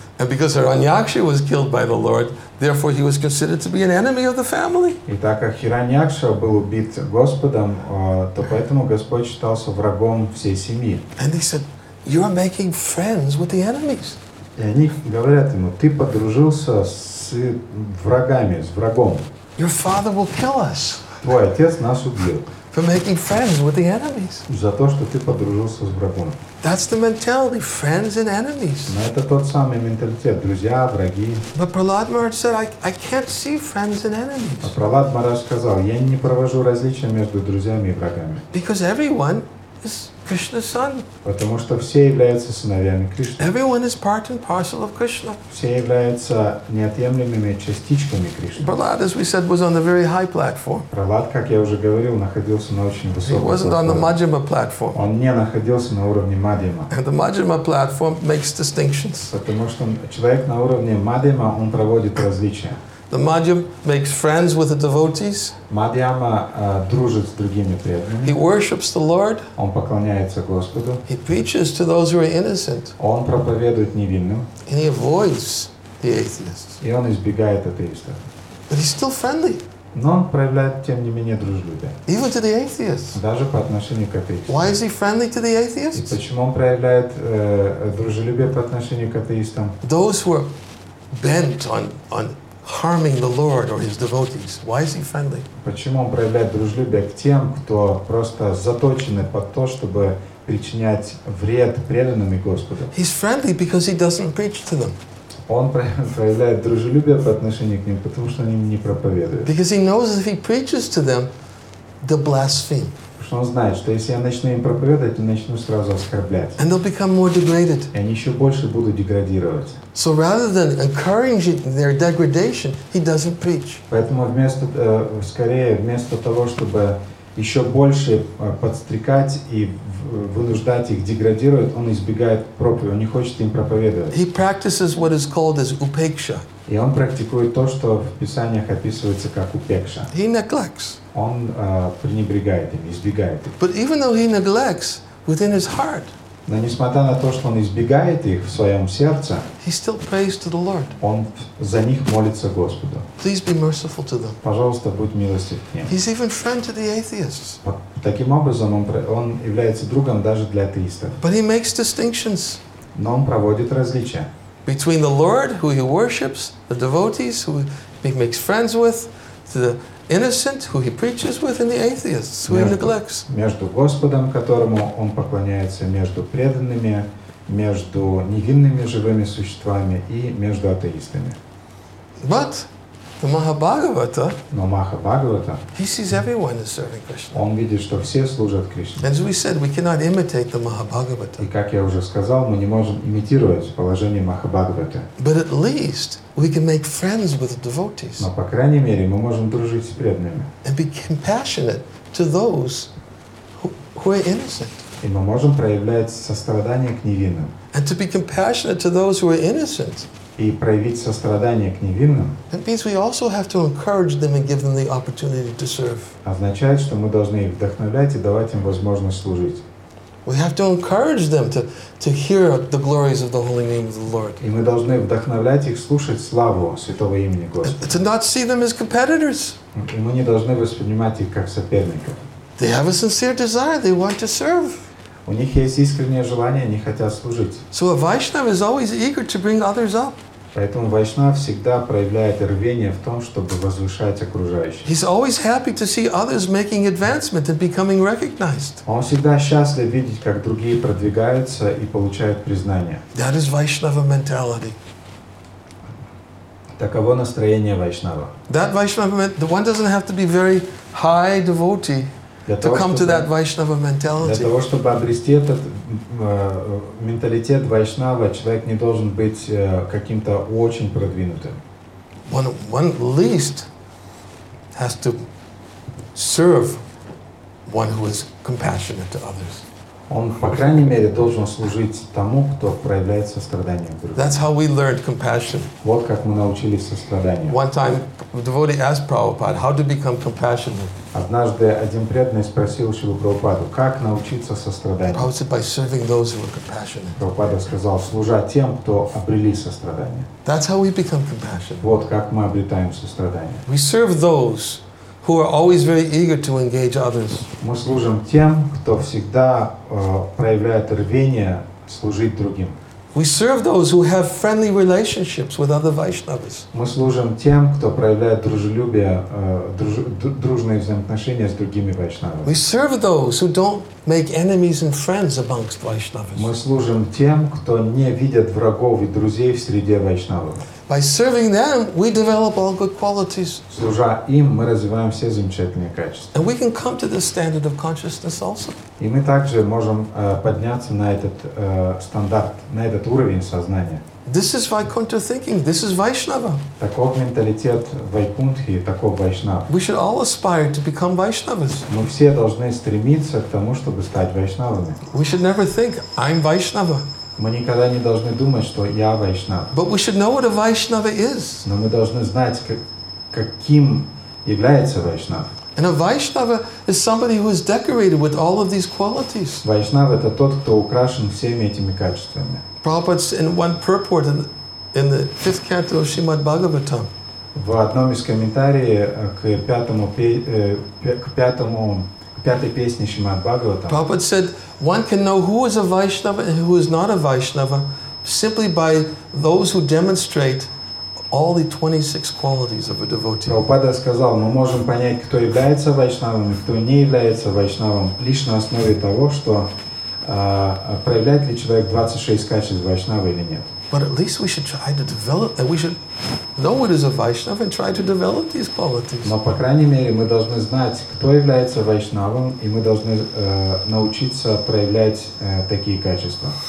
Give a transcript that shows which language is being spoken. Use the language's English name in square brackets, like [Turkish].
[English] And because Hiranyaksha was killed by the Lord, therefore he was considered to be an enemy of the family. [Russian] И так как Хираньякша был убит Господом, то поэтому Господь считался врагом всей семьи. [English] And he said, "You are making friends with the enemies." [Russian] И они говорят ему, ты подружился с врагами, с врагом. [English] Your father will kill us. [Russian] Твой отец нас убьет. [English] For making friends with the enemies. [Russian] За то, что ты подружился с врагом. [English] That's the mentality, friends and enemies. [Russian] Но это тот самый менталитет, друзья, враги. [English] But Prahlad Maharaj said, I can't see friends and enemies. [Russian] А Прохлад Махарадж сказал, я не провожу различия между друзьями и врагами. [English] Because everyone is Krishna's son. [Russian] Потому что все являются сыновьями Кришны. [English] Everyone is part and parcel of Krishna. [Russian] Все являются неотъемлемыми частичками Кришны. [English] Prahlad, as we said, was on the very high platform. [Russian] Prahlad, как я уже говорил, находился на очень высокой платформе. [English] He wasn't on the Madhyama platform. [Russian] Он не находился на уровне Мадхьяма. [English] And the Madhyama platform makes distinctions. [Russian] Потому что человек на уровне Мадхьяма, он проводит различия. [English] The Madhyam makes friends with the devotees. [Russian] Мадьяма дружит с другими преданными. [English] He worships the Lord. [Russian] Он поклоняется Господу. [English] He preaches to those who are innocent. [Russian] Он проповедует невинным. [English] And he avoids the atheists. [Russian] И он избегает атеистов. [English] But he's still friendly. [Russian] Но он проявляет тем не менее дружелюбие. [English] Even to the atheists. [Russian] Даже по отношению к атеистам. [English] Why is he friendly to the atheists? [Russian] И почему он проявляет дружелюбие по отношению к атеистам? [English] Those who are bent on harming the Lord or his devotees. Why is he friendly? [Russian] Почему он проявляет дружелюбие к тем, кто просто заточены под то, чтобы причинять вред преданным Господу? [English] He's friendly because he doesn't preach to them. [Russian] Он проявляет дружелюбие по отношению к ним, потому что они не проповедуют. [English] Because he knows if he preaches to them, they'll blaspheme. [Russian] Он знает, что если я начну им проповедовать, я начну сразу оскорблять. [English] And they'll become more degraded. [Russian] И они еще больше будут деградировать. [English] So rather than encouraging their degradation, he doesn't preach. [Russian] Поэтому вместо, скорее, вместо того, чтобы еще больше подстрекать и вынуждать их деградировать, он избегает проповеди, он не хочет им проповедовать. [English] He practices what is called as upeksha. [Russian] И он практикует то, что в Писаниях описывается как упекша. [English] He neglects. [Russian] Он пренебрегает им, избегает их. [English] But even though he neglects, within his heart, [Russian] но несмотря на то, что он избегает их в своем сердце, [English] he still prays to the Lord. [Russian] Он за них молится Господу. [English] Please be merciful to them. [Russian] Пожалуйста, будь милостив к ним. [English] He's even friend to the atheists. [Russian] Таким образом, он является другом даже для атеистов. [English] But he makes distinctions. [Russian] Но он проводит различия. [English] Between the Lord, who he worships, the devotees, who he makes friends with, the innocent, who he preaches with, and the atheists, who he neglects. [Russian] Между Господом, которому он поклоняется, между преданными, между невинными живыми существами и между атеистами. [English] But the Mahabhagavata, [Russian] но Махабхагавата, [English] he sees everyone is serving Krishna. [Russian] Он видит, что все служат Кришне. [English] As we said, we cannot imitate the Mahabhagavata. [Russian] И как я уже сказал, мы не можем имитировать положение Махабхагавата. [English] But at least we can make friends with the devotees. [Russian] Но по крайней мере мы можем дружить с преданными. [English] And be compassionate to those who are innocent. [Russian] И мы можем проявлять сострадание к невинным. [English] And to be compassionate to those who are innocent. [Russian] И проявить сострадание к невинным. [English] That means we also have to encourage them and give them the opportunity to serve. [Russian] Означает, что мы должны их вдохновлять и давать им возможность служить. [English] We have to encourage them to hear the glories of the holy name of the Lord. [Russian] И мы должны вдохновлять их слушать славу святого имени Господа. [English] To not see them as competitors. [Russian] И мы не должны воспринимать их как соперников. [English] They have a sincere desire. They want to serve. [Russian] У них есть искреннее желание, они хотят служить. [English] So a Vaishnava is always eager to bring others up. [Russian] Поэтому Вайшнав всегда проявляет рвение в том, чтобы возвышать окружающих. [English] He's always happy to see others making advancement and becoming recognized. [Russian] Он всегда счастлив видеть, как другие продвигаются и получают признание. [English] That is Vaishnava mentality. [Russian] Таково настроение Вайшнава. [English] That Vaishnava, the one doesn't have to be very high devotee. To come to that Vaishnava mentality. [Russian] Для того, чтобы обрести этот менталитет Вайшнава, человек не должен быть каким-то очень продвинутым. [English] One at least has to serve one who is compassionate to others. [Russian] Он, по крайней мере, должен служить тому, кто проявляет сострадание к другим. [English] That's how we learned compassion. [Russian] Вот как мы научились состраданию. [English] One time a devotee asked Prabhupada, how to become compassionate. [Russian] Однажды один преданный спросил Шрилу Прабхупаду, как научиться состраданию. [English] Prabhupada said, by serving those who are compassionate. [Russian] Прабхупада сказал, служа тем, кто обрели сострадание. [English] That's how we become compassionate. [Russian] Вот как мы обретаем сострадание. [English] We serve those who are always very eager to engage others. [Russian] Мы служим тем, кто всегда проявляет рвение служить другим. [English] We serve those who have friendly relationships with other Vaishnavas. [Russian] Мы служим тем, кто проявляет дружелюбие, дружные взаимоотношения с другими Вайшнавами. [English] We serve those who don't make enemies and friends amongst Vaishnavas. [Russian] Мы служим тем, кто не видит врагов и друзей в среде Вайшнавов. [English] By serving them, we develop all good qualities. [Russian] Служа им, мы развиваем все замечательные качества. [English] And we can come to this standard of consciousness also. [Russian] И мы также можем подняться на этот стандарт, на этот уровень сознания. [English] This is Vaikuntha thinking. This is Vaishnava. [Russian] Таков менталитет Вайкунтхи, таков Вайшнав. [English] We should all aspire to become Vaishnavas. [Russian] Мы все должны стремиться к тому, чтобы стать Вайшнавами. [English] We should never think, I'm Vaishnava. [Russian] Мы никогда не должны думать, что я Вайшнав. [English] But we should know what a Vaishnava is. [Russian] Но мы должны знать, каким является Вайшнав. [English] And a Vaishnava is somebody who is decorated with all of these qualities. [Russian] Вайшнав — это тот, кто украшен всеми этими качествами. [English] Prabhupada's in one purport in the fifth canto of Srimad Bhagavatam. [Russian] В одном из комментариев к пятой песне Шримад Бхагаватам. [English] Prabhupada said, one can know who is a Vaishnava and who is not a Vaishnava simply by those who demonstrate all the 26 qualities of a devotee. [Russian] Prabhupada сказал, мы можем понять, кто является Вайшнавом и кто не является Вайшнавом лишь на основе того, что проявляет ли человек 26 качеств Вайшнава или нет. [English] But at least we should try to develop, and we should know what is a Vaishnava and try to develop these qualities. [Russian] Но по крайней мере мы должны знать, кто является вайшнавом, и мы должны научиться проявлять такие качества.